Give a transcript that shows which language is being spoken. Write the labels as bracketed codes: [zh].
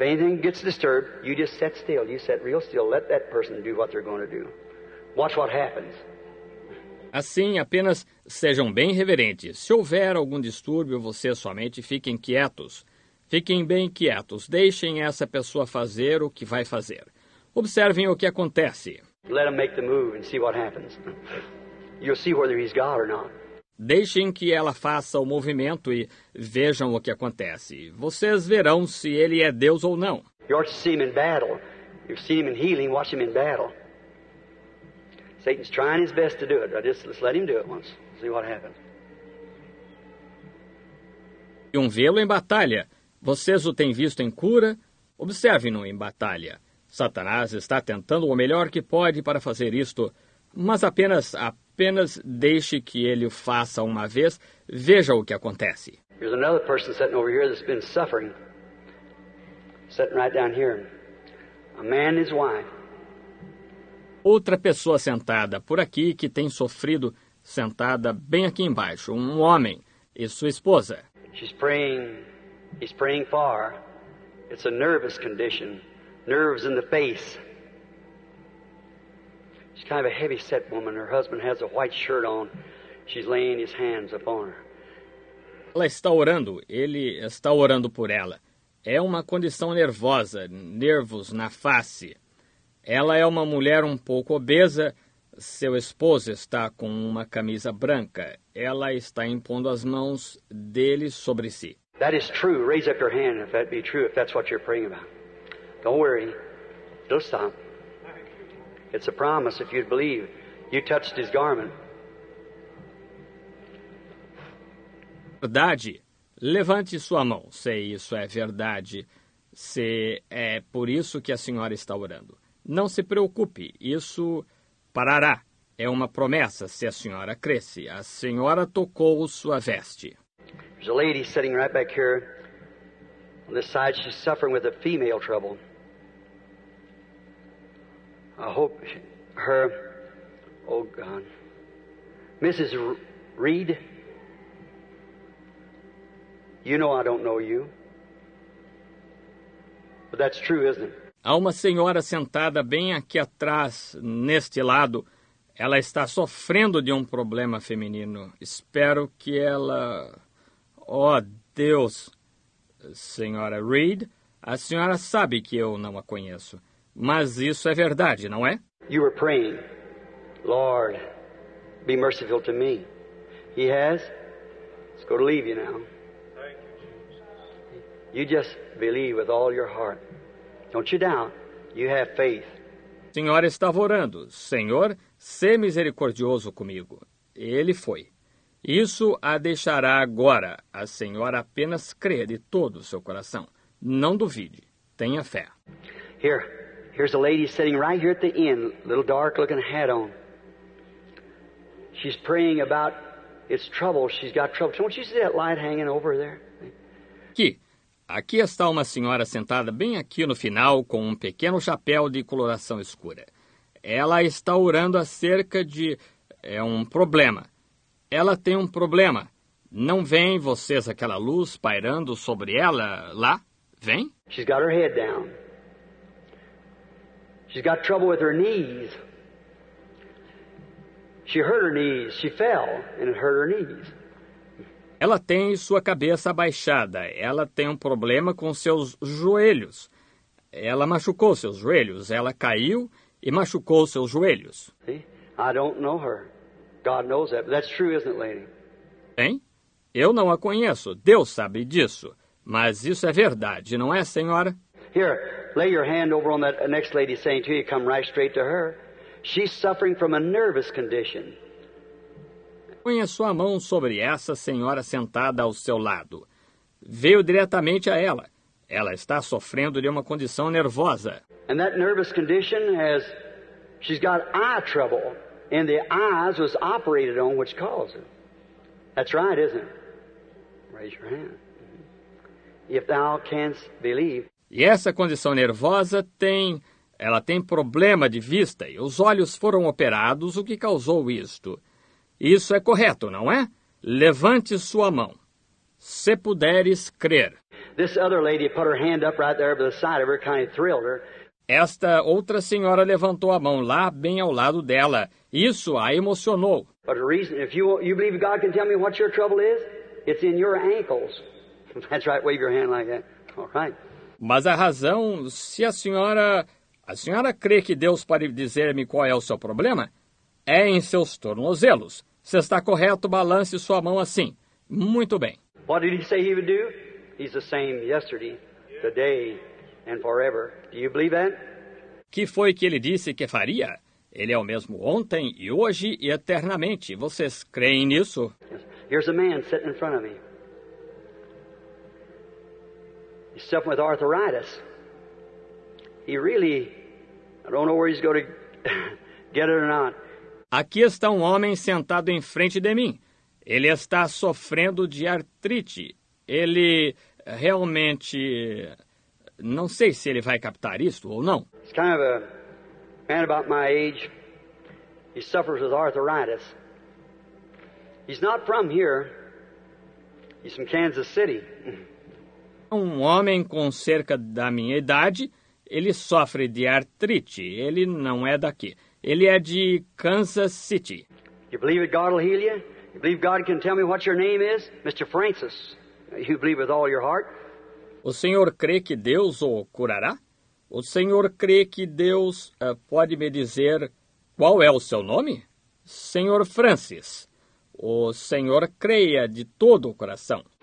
[en] If anything gets disturbed, you just sit still. You sit real still. Let that person do what they're going to do. Watch what happens. [pt] Assim, apenas sejam bem reverentes. Se houver algum distúrbio, vocês somente fiquem quietos. Fiquem bem quietos. Deixem essa pessoa fazer o que vai fazer. Observem o que acontece. [en] Let him make the move and see what happens. You'll see whether he's God or not. [pt] Deixem que ela faça o movimento e vejam o que acontece. Vocês verão se ele é Deus ou não. [en] You ought to see him in battle. You've seen him in healing. Watch him in battle. Satan's trying his best to do it. Let's let him do it once. See what happens. [pt] E vê-lo em batalha. Vocês o têm visto em cura? Observe-no em batalha. Satanás está tentando o melhor que pode para fazer isto, mas apenas deixe que ele o faça uma vez, veja o que acontece. [en] There's another person sitting over here that's been suffering. Sitting right down here. A man and his wife. [pt] Outra pessoa sentada por aqui que tem sofrido, sentada bem aqui embaixo, um homem e sua esposa. [en] She's praying. He's praying far. It's a nervous condition. Nerves in the face. She's kind of a heavy-set woman. Her husband has a white shirt on. She's laying his hands upon her. [pt] Ela está orando. Ele está orando por ela. É uma condição nervosa, nervos na face. Ela é uma mulher um pouco obesa. Seu esposo está com uma camisa branca. Ela está impondo as mãos dele sobre si. [en] That is true. Raise up your hand if that be true, if that's what you're praying about. Don't worry. It'll stop. It's a promise if you'd believe. You touched his garment. [pt] Verdade. Levante sua mão. Se isso é verdade, se é por isso que a senhora está orando. Não se preocupe. Isso parará. É uma promessa se a senhora cresce. A senhora tocou sua veste. [en] There's a lady sitting right back here on this side. She's suffering with a female trouble. I hope her, oh God, Mrs. Reed, you know I don't know you. But that's true, isn't it? [pt] Há uma senhora sentada bem aqui atrás, neste lado. Ela está sofrendo de um problema feminino. Espero que ela... Oh, Deus! Senhora Reed, a senhora sabe que eu não a conheço. Mas isso é verdade, não é? [en] You were praying, Lord, be merciful to me. He has. It's going to leave you now. Thank you. You just believe with all your heart. Don't you doubt. You have faith. [pt] A senhora estava orando. Senhor, sê misericordioso comigo. Ele foi. Isso a deixará agora. A senhora apenas crê de todo o seu coração. Não duvide. Tenha fé. [en] Here. Here's a lady sitting right here at the inn, little dark-looking hat on. She's praying about its trouble. She's got trouble. Don't you see that light hanging over there? [pt] Aqui. Aqui está uma senhora sentada bem aqui no final com um pequeno chapéu de coloração escura. Ela está orando acerca de... é um problema. Ela tem um problema. Não vem vocês aquela luz pairando sobre ela lá? Vem? [en] She's got her head down. She's got trouble with her knees. She hurt her knees. She fell and it hurt her knees. [pt] Ela tem sua cabeça abaixada. Ela tem um problema com seus joelhos. Ela machucou seus joelhos. Ela caiu e machucou seus joelhos. [en] See? I don't know her. God knows that. That's true, isn't it, lady? [pt] Hein? Eu não a conheço. Deus sabe disso. Mas isso é verdade, não é, senhora? [en] Here, lay your hand over on that next lady saying to you, come right straight to her. She's suffering from a nervous condition. [pt] Ponha sua mão sobre essa senhora sentada ao seu lado. Veio diretamente a ela. Ela está sofrendo de uma condição nervosa. [en] And that nervous condition has, she's got eye trouble. And the eyes was operated on which caused it. That's right, isn't it? Raise your hand. If thou canst believe. [pt] E essa condição nervosa tem... ela tem problema de vista. E os olhos foram operados, o que causou isto. Isso é correto, não é? Levante sua mão. Se puderes crer. [en] This other lady put her hand up right there by the side of her, kind of thrilled her. [pt] Esta outra senhora levantou a mão lá, bem ao lado dela. Isso a emocionou. [en] But reason, if you believe God can tell me what your trouble is, it's in your ankles. That's right, wave your hand like that. All right. [pt] Mas a razão, se a senhora crê que Deus pode dizer-me qual é o seu problema, é em seus tornozelos. Se está correto, balance sua mão assim. Muito bem. [en] What did he say he would do? He's the same yesterday, today, and forever. Do you believe that? [pt] Que foi que ele disse que faria? Ele é o mesmo ontem e hoje e eternamente. Vocês creem nisso? [en] Here's a man sitting in front of me. He's suffering with arthritis. He really, I don't know where he's going to get it or not. [pt] Aqui está um homem sentado em frente de mim. Ele está sofrendo de artrite. Ele realmente... não sei se ele vai captar isto ou não. [en] He's kind of a man about my age. He suffers with arthritis. He's not from here. He's from Kansas City. [pt] Um homem com cerca da minha idade, ele sofre de artrite. Ele não é daqui. Ele é de Kansas City. [en] You believe that God will heal you? You believe God can tell me what your name is? Mr. Francis, you believe with all your heart? [pt] O senhor crê que Deus o curará? O senhor crê que Deus pode me dizer qual é o seu nome? Senhor Francis, o senhor creia de todo o coração.